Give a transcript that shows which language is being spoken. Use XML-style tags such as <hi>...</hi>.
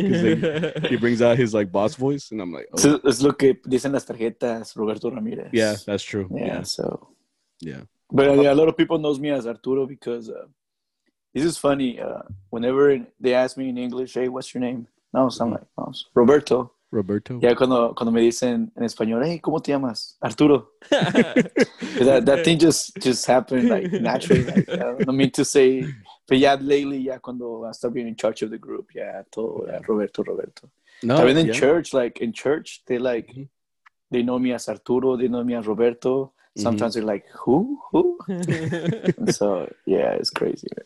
<en>Because he brings out his like boss voice, and I'm like, oh. So it's</en> <es>lo que dicen las tarjetas,</es> <en>Roberto Ramirez. Yeah, that's true. But yeah, a lot of people knows me as Arturo because this is funny. Whenever they ask me in English, hey, what's your name? No, so I'm like, oh, Roberto. Roberto.</en> <es>Yeah, cuando me dicen en español, hey, ¿cómo te llamas?</es> <en>Arturo. that thing just happened like naturally. Like, I don't mean to say, but yeah, lately, yeah, cuando I started being in charge of the group, yeah, todo, yeah, Roberto. No, I mean, in church, like in church, they like, they know me as Arturo, they know me as Roberto. Sometimes they're like, who? So yeah, it's crazy.</en>